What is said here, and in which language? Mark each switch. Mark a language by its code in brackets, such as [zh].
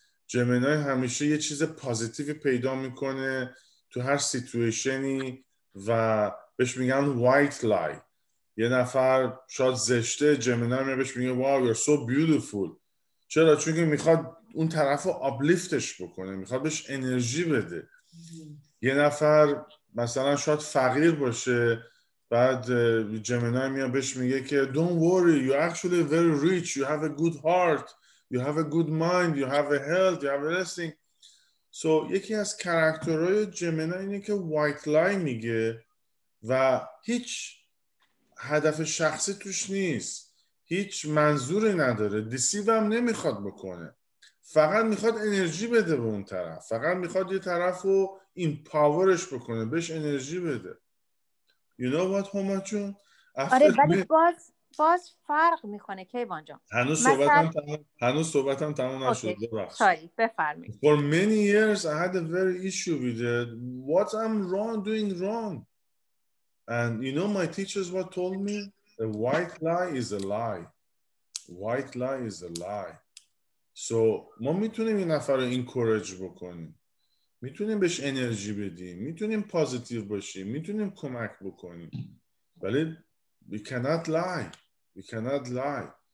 [fa] جمنای همیشه یه چیز پوزیتیو پیدا میکنه تو هر سیتویشنی و بهش میگن وایت لای. یه نفر شاید زشته، جمنای بهش میگه [en] Wow you are so beautiful. [fa] چرا؟ چون که میخواد اون طرف رو آبلیفتش بکنه، میخواد بهش انرژی بده. یه نفر مثلا شاید فقیر باشه، بعد جمنای میاد بهش میگه که [en] don't worry, you actually very rich, you have a good heart, you have a good mind, you have a health, you have everything. [fa] So یکی از کاراکترهای جمنای اینه که [en] white lie [fa] میگه و هیچ هدف شخصی توش نیست. هیچ منظوری نداره. دیسیو هم نمیخواد بکنه. فقط میخواد انرژی بده به اون طرف. فقط میخواد یه طرف رو این پاورش بکنه. بهش انرژی بده. [en] You know what, [fa] هماچون؟ آره ولی باز فرق میکنه کیوان جان. هنوز صحبتم تموم نشده. اوکی. ببخش. سوری. بفرمید. [en] For many years I had a very issue with it. What I'm wrong doing wrong. And you know my teachers what told me? A white lie is a lie. White lie is a lie. [fa] So ما میتونیم این نفر رو encourage بکنیم. میتونیم بهش انرژی بدیم. میتونیم positive باشیم. میتونیم کمک بکنیم. ولی [en] We cannot lie.